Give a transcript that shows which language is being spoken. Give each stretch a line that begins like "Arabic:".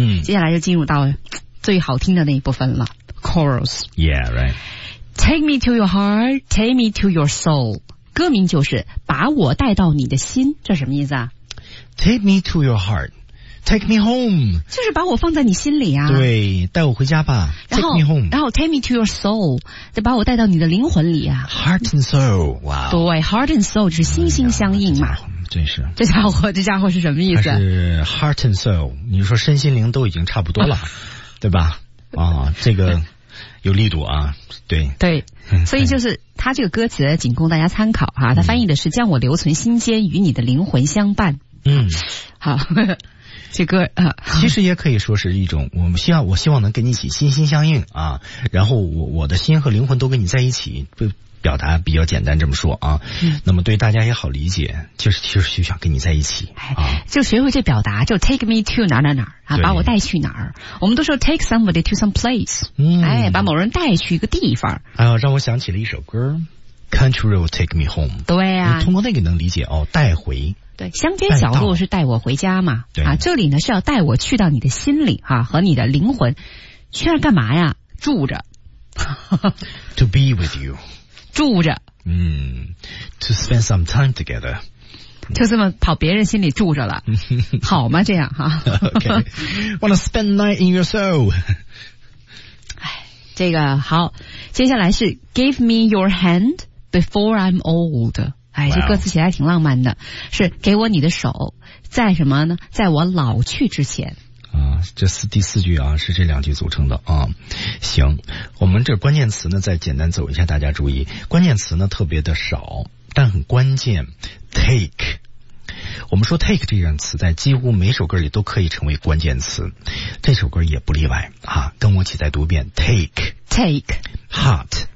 Chinese: 接下来就进入到最好听的那一部分了 ，chorus。
English: Yeah, right. Take me to your heart, take me to your soul.
Chinese: 歌名就是把我带到你的心，这什么意思啊
English: ？Take me to your heart, take me home.
Chinese: 就是把我放在你心里啊。对，带我回家吧。
English: Take me home.
Chinese: 然后
English: take me to your soul,
Chinese: 得把我带到你的灵魂里啊。
English: Heart and soul, 哇、 wow。
Chinese: 对 ，heart and soul 就是心心相印嘛。真是。这家伙是什么意思？是 heart and soul， 你说身心灵都已经差不多了，对吧？啊、这个。有力度啊，对对，所以就是他这个歌词仅供大家参考哈、他翻译的是将我留存心间与你的灵魂相伴，好，这歌其实也可以说是一种我希望能跟你一起心心相印啊，然后我的心和灵魂都跟你在一起，表达比较简单这么说啊，那么对大家也好理解，就是想跟你在一起、就学会这表达，就 take me to 哪哪哪啊，把我带去哪儿，我们都说
English: take somebody to some place，
Chinese: 把某人带去一个地方，让我想起了一首歌 country road take me home，对啊，通过那个能理解哦，带回，对，乡间小路是带我回家嘛，对啊，这里呢是要带我去到你的心里啊，和你的灵魂去那儿干嘛呀，住着
English: to be with you，
Chinese: 住着，
English: to spend some time together，
Chinese: 就这么跑别人心里住着了，好吗？这样哈、
English: okay. ，Wanna spend night in your soul？
Chinese: 这个好，接下来是
English: Give me your hand before I'm old。 Wow.
Chinese: 这歌词写得还挺浪漫的，是给我你的手，在什么呢？在我老去之前。这第四句啊是这两句组成的啊，行，我们这关键词呢再简单走一下，大家注意关键词呢特别的少但很关键， take， 我们说 take 这样词在几乎每首歌里都可以成为关键词，这首歌也不例外啊，跟我一起再读一遍 take heart